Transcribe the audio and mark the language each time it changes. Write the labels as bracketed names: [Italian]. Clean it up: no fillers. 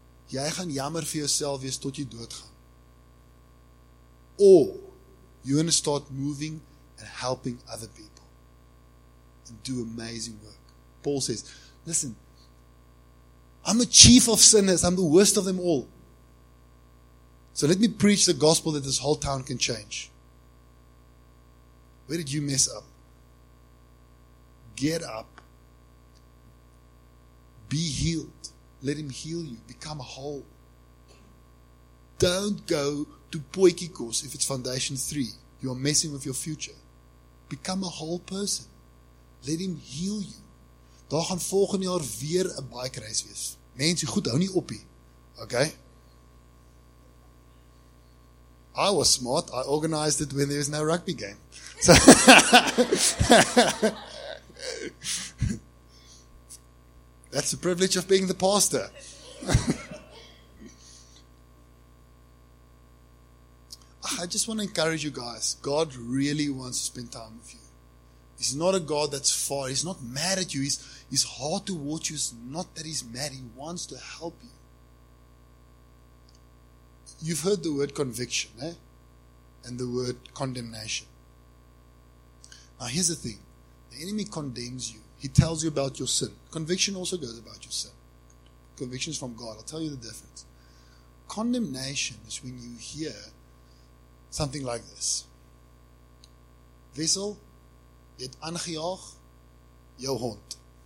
[Afrikaans] Jy gaan jammer vir jouself wees tot jy doodgaan. [English] Or you're going to start moving and helping other people and do amazing work. Paul says, listen, I'm the chief of sinners. I'm the worst of them all. So let me preach the gospel that this whole town can change. Where did you mess up? Get up. Be healed. Let him heal you. Become whole. Don't go to Poikikos if it's foundation 3. You are messing with your future. Become a whole person. Let him heal you. [Afrikaans] Daar gaan volgende jaar weer 'n bike race wees. Mense, goed, hou nie op nie. Okay? [English] I was smart. I organized it when there was no rugby game. So that's the privilege of being the pastor. I just want to encourage you guys. God really wants to spend time with you. He's not a God that's far. He's not mad at you. His heart towards you is not that he's mad. He wants to help you. You've heard the word conviction, eh? And the word condemnation. Now here's the thing. The enemy condemns you. He tells you about your sin. Conviction also goes about your sin. Conviction is from God. I'll tell you the difference. Condemnation is when you hear something like this. [Afrikaans] Wessel, jy het aangejaag jou hond.